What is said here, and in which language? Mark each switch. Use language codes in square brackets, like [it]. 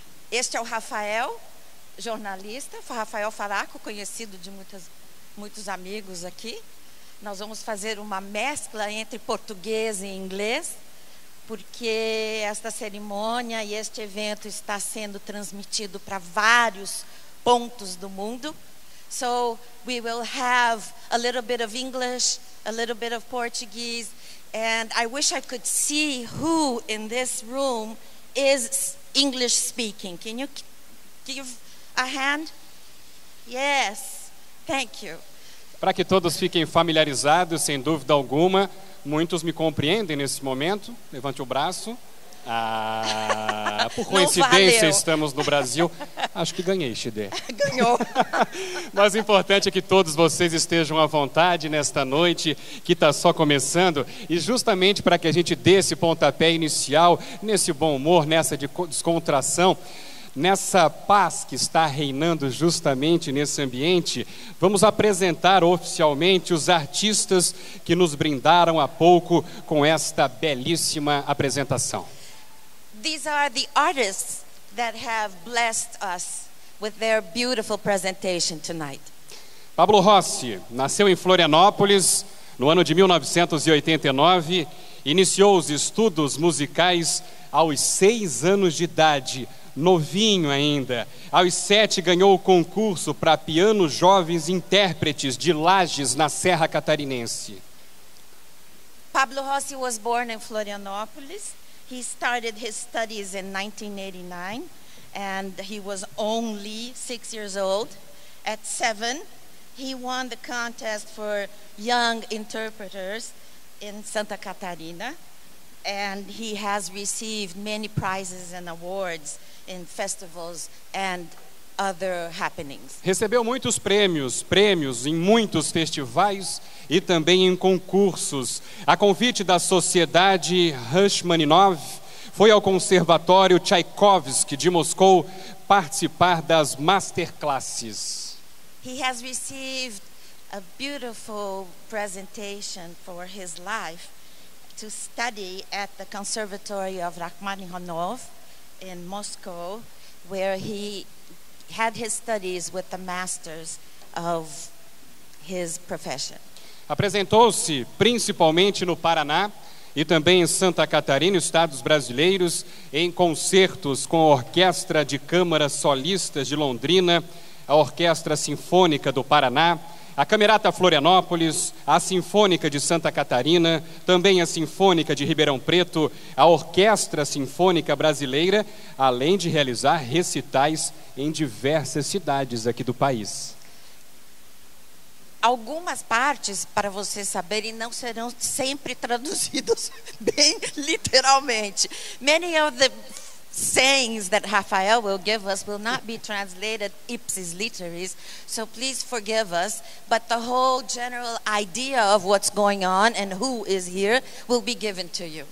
[pt] Este é o Rafael, jornalista, Rafael Faraco, conhecido de muitos amigos aqui. Nós vamos fazer uma mescla entre português e inglês, porque esta cerimônia e este evento está sendo transmitido para vários pontos do mundo. [en] So we will have a little bit of English, a little bit of Portuguese, and I wish I could see who in this room is English speaking. Can you give a hand? Yes, thank you. [pt] Para que todos fiquem familiarizados, sem dúvida alguma, muitos me compreendem nesse momento. Levante o braço. Ah, por coincidência estamos no Brasil. Acho que ganhei, Chidê. Ganhou. Mas o importante é que todos vocês estejam à vontade nesta noite que está só começando. E justamente para que a gente dê esse pontapé inicial, nesse bom humor, nessa descontração, nessa paz que está reinando justamente nesse ambiente, vamos apresentar oficialmente os artistas que nos brindaram há pouco com esta belíssima apresentação. [en] These are the artists that have blessed us with their beautiful presentation tonight. [pt] Pablo Rossi nasceu em Florianópolis no ano de 1989, iniciou os estudos musicais aos 6 anos de idade, novinho ainda. Aos 7 ganhou o concurso para piano jovens intérpretes de Lages, na Serra Catarinense. [en] Pablo Rossi was born in Florianópolis. He started his studies in 1989 and he was only 6 years old. At 7, he won the contest for young interpreters in Santa Catarina, and he has received many prizes and awards in festivals and other happenings. [pt] Recebeu muitos prêmios em muitos festivais e também em concursos. A convite da Sociedade Rachmaninov, foi ao Conservatório Tchaikovsky de Moscou participar das masterclasses. [en] He has received a beautiful presentation for his life to study at the Conservatory of Rachmaninov in Moscow, where he had his studies with the masters of his profession. [pt] Apresentou-se principalmente no Paraná e também em Santa Catarina, estados brasileiros, em concertos com a Orquestra de Câmara Solistas de Londrina, a Orquestra Sinfônica do Paraná, a Camerata Florianópolis, a Sinfônica de Santa Catarina, também a Sinfônica de Ribeirão Preto, a Orquestra Sinfônica Brasileira, além de realizar recitais em diversas cidades aqui do país. algumas partes, para vocês saberem, não serão sempre traduzidas bem literalmente. [en] Many of the sayings that Rafael will give us will not be translated ipsis literis, so please forgive us, but the whole general idea of what's going on and who is here will be given to you.